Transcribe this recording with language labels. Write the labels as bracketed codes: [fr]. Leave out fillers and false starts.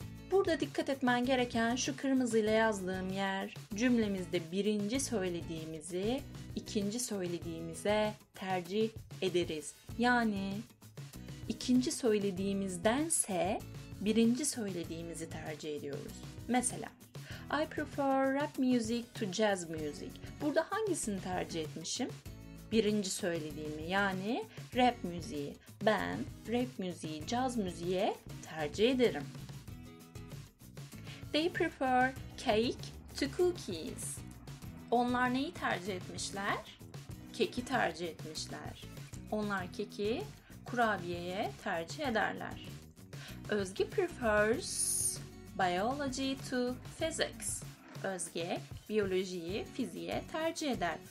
[tr] Burada dikkat etmen gereken şu kırmızıyla yazdığım yer, cümlemizde birinci söylediğimizi ikinci söylediğimize tercih ederiz. Yani ikinci söylediğimizdense birinci söylediğimizi tercih ediyoruz. [en] Mesela, I prefer rap music to jazz music. [tr] Burada hangisini tercih etmişim? Birinci söylediğimi, yani rap müziği. Ben rap müziği, caz müziğe tercih ederim. [en] They prefer cake to cookies. [tr] Onlar neyi tercih etmişler? Keki tercih etmişler. Onlar keki kurabiyeye tercih ederler. [en] Özge prefers biology to physics. [tr] Özge, biyolojiyi fiziğe tercih eder.